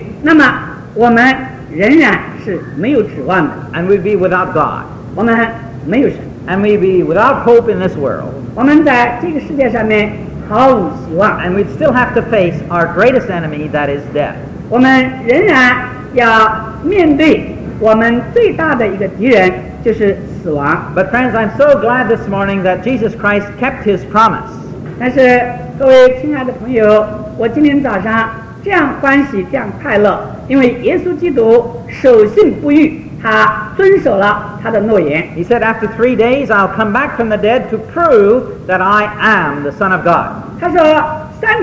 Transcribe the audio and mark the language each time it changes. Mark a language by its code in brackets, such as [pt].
[zh] 假如耶稣死只是一个殉道者的死，而没有应验他说他要复活的那个应许，那么我们 仍然是没有指望的, [en] and we'd be without God, [zh] 我们没有神, [en] and we'd be without hope in this world, [zh] 我们在这个世界上面毫无希望, [en] and we'd still have to face our greatest enemy, that is death. [zh] 我们仍然要面对我们最大的一个敌人，就是死亡. [en] But friends, I'm so glad this morning that Jesus Christ kept his promise. [zh] 但是各位亲爱的朋友，我今天早上 这样欢喜这样快乐，因为耶稣基督守信不渝，他遵守了他的诺言。 [en] He said, after 3 days, I'll come back from the dead to prove that I am the Son of God.